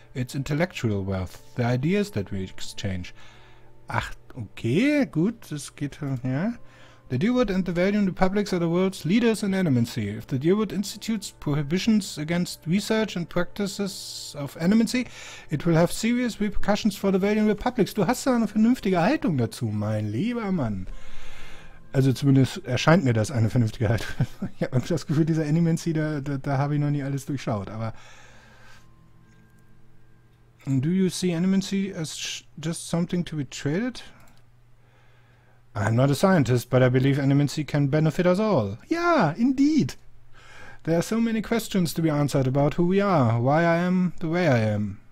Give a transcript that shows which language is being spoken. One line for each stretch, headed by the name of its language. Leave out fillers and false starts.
English: It's intellectual wealth, the ideas that we exchange.
German: Ach, okay, gut, das geht, ja.
English: The Deerwood and the Valiant Republics are the world's leaders in animacy. If the Deerwood institutes prohibitions against research and practices of animacy, it will have serious repercussions for the Valiant Republics.
German: Du hast da eine vernünftige Haltung dazu, mein lieber Mann. Also zumindest erscheint mir das eine vernünftige Haltung. Ich habe das Gefühl, dieser Animacy, da habe ich noch nie alles durchschaut, aber...
English: And do you see animacy as just something to be traded? I'm not a scientist, but I believe animacy can benefit us all. Yeah, indeed. There are so many questions to be answered about who we are, why I am the way I am.